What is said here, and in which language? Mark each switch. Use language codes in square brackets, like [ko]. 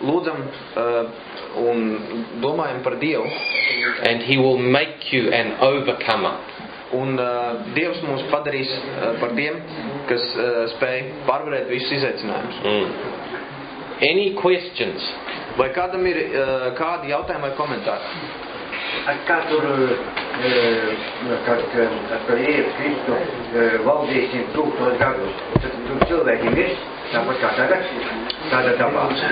[lv] lūdzam un domājam par Dievu. [en] And he will make you an overcomer. [lv] Un Dievs mūs padarīs par tiem, kas spēj pārvarēt visus izaicinājumus. [en] Mm. Any questions? [lv] Vai kādam ir kādi jautājumi vai komentāri? Kad Jēzus Kristus valdīsim tūkstoš gadus, tad cilvēki mirs, tāpat kā tagad? Tāda tāpā.